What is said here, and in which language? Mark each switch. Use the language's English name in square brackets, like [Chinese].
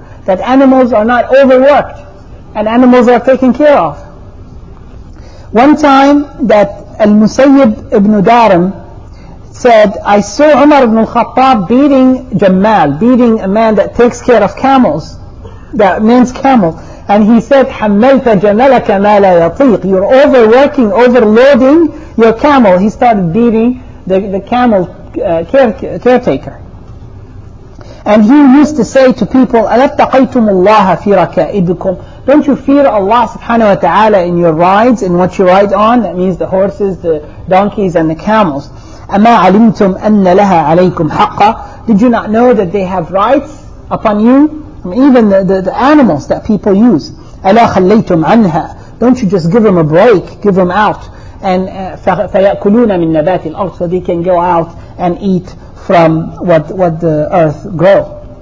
[English] That animals are not overworked and animals are taken care of. One time that Al-Musayyib ibn Darim said, I saw Umar ibn al-Khattab beating Jamal, beating a man that takes care of camels, that means camel. And he said, [Arabic] حَمَّلْتَ جَمَلَكَ مَا لَا يَطِيقُ. [English] You're overworking, overloading your camel. He started beating the camel caretaker. And he used to say to people, [Arabic] أَلَتَّقَيْتُمُ اللَّهَ فِي رَكَائِبِكُمْ. [English] Don't you fear Allah subhanahu wa ta'ala in your rides, in what you ride on? That means the horses, the donkeys, and the camels. [Arabic] أَمَا عَلِمْتُمْ أَنَّ لَهَا عَلَيْكُمْ حَقًّا. [English] Did you not know that they have rights upon you? I mean, even the animals that people use. [Arabic] أَلَا خَلَّيْتُمْ عَنْهَا. [English] Don't you just give them a break, give them out. And [Arabic] فَيَأْكُلُونَ مِن نَبَاتِ الْأَرْضِ. [English] So they can go out and eat from what the earth grow.